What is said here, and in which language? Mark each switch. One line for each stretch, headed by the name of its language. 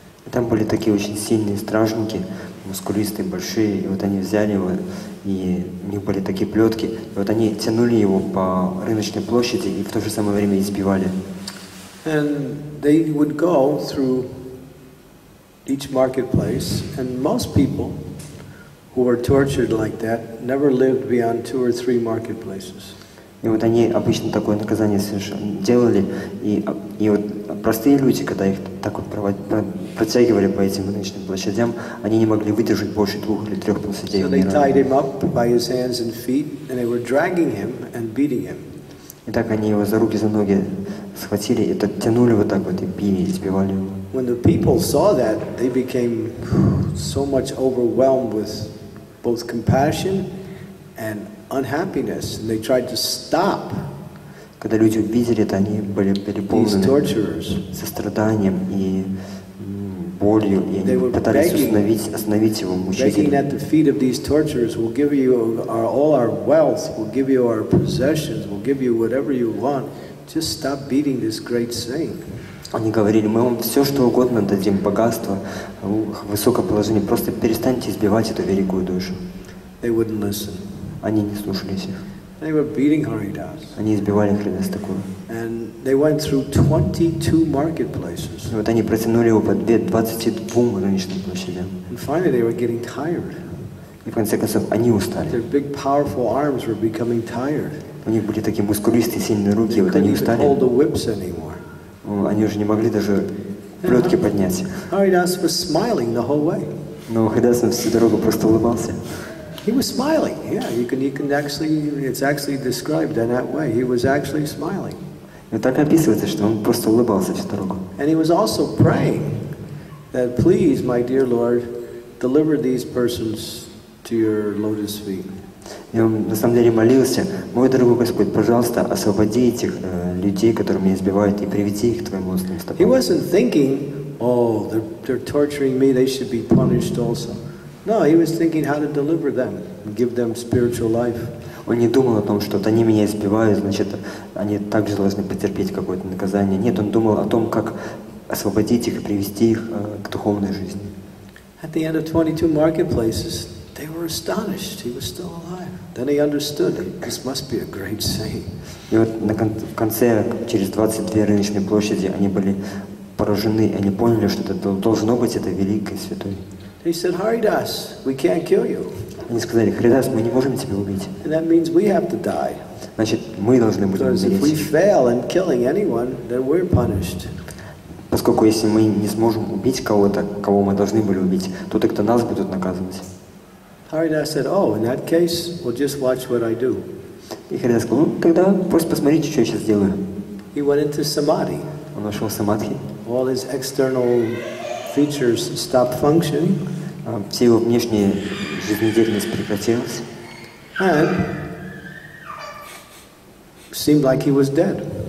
Russian: Там были такие очень сильные стражники, мускулистые, большие, и вот они взяли его, и у них были такие плетки, и вот они тянули его по рыночной площади и в то же самое время избивали.
English: And they would go through each marketplace, and most people who were tortured like that never lived beyond two or three marketplaces.
Russian: И вот они обычно такое наказание совершенно делали, и вот простые люди, когда их так вот протягивали по этим рыночным площадям, они не могли выдержать больше двух или трех площадей.
English: So they tied him up by his hands and feet, and they were dragging him and beating him.
Russian: И так они его за руки, за ноги схватили, и так тянули вот так вот и били, избивали его.
English: When the people saw that, they became so much overwhelmed with both compassion and unhappiness, and they tried to stop.
Russian: Когда люди увидели это, они были переполнены состраданием и болью, и они пытались остановить его мучителя.
English: Begging at the feet of these torturers, we'll give you all our wealth, we'll give you our possessions, we'll give you whatever you want. Just stop beating this great saint.
Russian: Они говорили: мы вам все, что угодно дадим, богатство, высокое положение, просто перестаньте избивать эту великую душу.
English: They wouldn't listen.
Russian: Они не слушались их.
English: They were beating Haridas.
Russian: Они избивали Харидастаку.
English: And they went through 22 marketplaces.
Russian: И вот они протянули его по 22 рыночным площадям.
English: And finally, they were getting tired.
Russian: И в конце концов они устали.
English: Their big, powerful arms were becoming tired.
Russian: У них были такие мускулистые сильные руки, и вот они устали.
English: They couldn't hold the whips anymore.
Russian: Они уже не могли даже плетки поднять.
English: Haridas was smiling the whole way.
Russian: Но Харидас всю дорогу просто улыбался.
English: He was smiling. Yeah, you can actually, it's actually described in that way. He was actually smiling.
Russian: И так описывается, что он просто улыбался всю дорогу.
English: And he was also praying that, please, my dear Lord, deliver these persons to your lotus feet.
Russian: И он на самом деле молился: мой дорогой Господь, пожалуйста, освободи этих людей, которые меня избивают, и приведи их к твоим лотосным стопам.
English: He wasn't thinking, oh, they're torturing me, they should be punished also. No, he was thinking how to deliver them, give them spiritual life.
Russian: Он не думал о том, что они меня избивают, значит, они также должны потерпеть какое-то наказание. Нет, он думал о том, как освободить их и привести их к духовной жизни.
English: At the end of 22 marketplaces, they were astonished he was still alive. Then he understood that this must be a great saint.
Russian: И вот на конце, через 22 рыночные площади, они были поражены, они поняли, что это должно быть это великий святой.
English: They said, Haridas, we can't kill you.
Russian: Они сказали: Харидас, мы не можем тебя убить.
English: And that means we have to die.
Russian: Значит, мы должны будем умереть.
English: Because if we fail in killing anyone, then we're punished.
Russian: Поскольку если мы не сможем убить кого-то, кого мы должны были убить, то тогда нас будут наказывать.
English: Haridas said, oh, in that case, we'll just watch what I do.
Russian: И Харидас сказал: ну, тогда просто посмотрите, что я сейчас сделаю.
English: He went into samadhi.
Russian: Он вошел в самадхи.
English: All his external features stopped functioning.
Russian: Все его внешняя жизнедеятельность прекратилась.
English: And seemed like he was dead.